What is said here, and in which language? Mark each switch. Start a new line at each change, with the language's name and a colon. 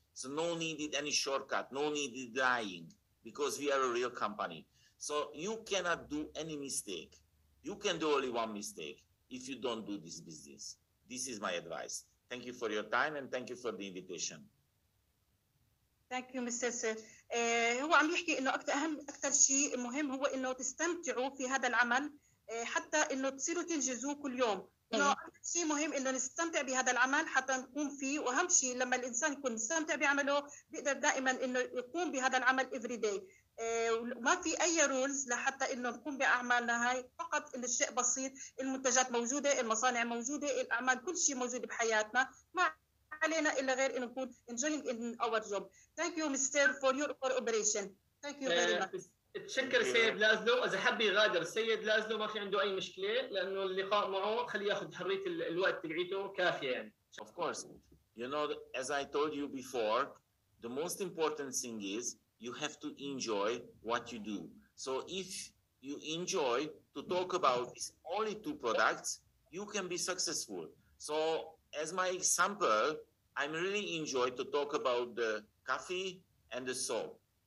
English: So no needed any shortcut, no needed lying, because we are a real company. So you cannot do any mistake. You can do only one mistake if you don't do this business. This is my advice. Thank you for your time and thank you for the invitation. Thank you, Mr. Sir.
Arabic: هو عم يحكي إنه أكثر شيء مهم هو إنه تستمتعوا في هذا العمل حتى إنه تصيروا تنجزوا كل يوم. شيء مهم إنه نستمتع بهذا العمل حتى نقوم فيه، وأهم شيء لما الإنسان يكون مستمتع بعمله بيقدر دائماً إنه يقوم بهذا العمل
English: every day.
Arabic: ما في أي rules لحتى إنه نقوم بأعمالنا هاي، فقط إن الشيء بسيط، المنتجات موجودة، المصانع موجودة، الأعمال كل شيء موجود بحياتنا، ما علينا إلا غير إنه نكون
English: enjoying in our job. Thank you, Mr. for your cooperation. Thank you very much.
Arabic: تشكر السيد لازلو. إذا حبي يغادر السيد لازلو ما في عنده أي مشكلة، لأنه اللقاء معه خليه يأخذ حرية الوقت تقعيته كافية يعني.
English: Of course, you know, as I told you before, the most important thing is you have to enjoy what you do. So if you enjoy to talk about these only two products, you can be successful. So as my example, I'm really enjoy to talk about the coffee and the soap.